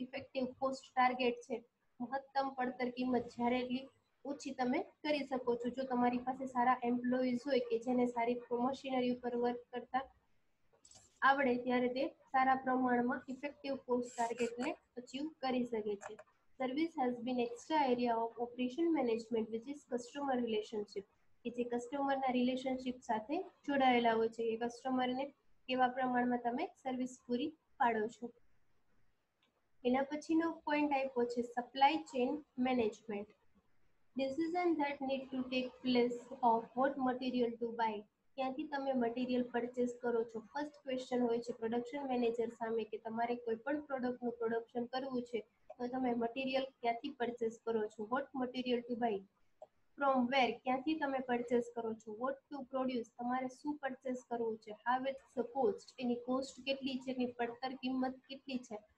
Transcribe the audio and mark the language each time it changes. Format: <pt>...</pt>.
<gu>Effective cost target છે, મહત્તમ પડતર કિંમત જ્યારે એટલી ઓછી તમે કરી શકો છો. જો તમારી પાસે સારા એમ્પ્લોઈઝ હોય કે જેને સારી મશીનરી ઉપર વર્ક કરતા આવડે, ત્યારે તે સારા પ્રમાણમાં ઇફેક્ટિવ કોસ્ટ ટાર્ગેટને અચીવ કરી શકે છે.</gu> <en>Service has been extra area of operation management, which is customer relationship.</en> <gu>જે customer ના relationship સાથે જોડાયેલા હોય છે કે customer ને કેવા પ્રમાણમાં તમે સર્વિસ પૂરી પાડો છો. એના પછીનો પોઈન્ટ આપ્યો છે supply chain management.</gu> <en>Decision that need to take place of what material to buy.</en> <gu>ક્યાંથી તમે મટીરિયલ પરચેસ કરો છો. ફર્સ્ટ ક્વેશ્ચન હોય છે પ્રોડક્શન મેનેજર સામે કે તમારે કોઈ પણ પ્રોડક્ટનું પ્રોડક્શન કરવું છે તો તમે મટીરિયલ ક્યાંથી પરચેસ કરો છો.</gu> <en>what material to buy, from where,</en> <gu>ક્યાંથી તમે પરચેસ કરો છો.</gu> <en>what to produce,</en> <gu>તમારે શું પરચેસ કરવું છે.</gu> <en>how is the cost,</en> <gu>any cost કેટલી છે, એની પડતર કિંમત કેટલી છે.</gu>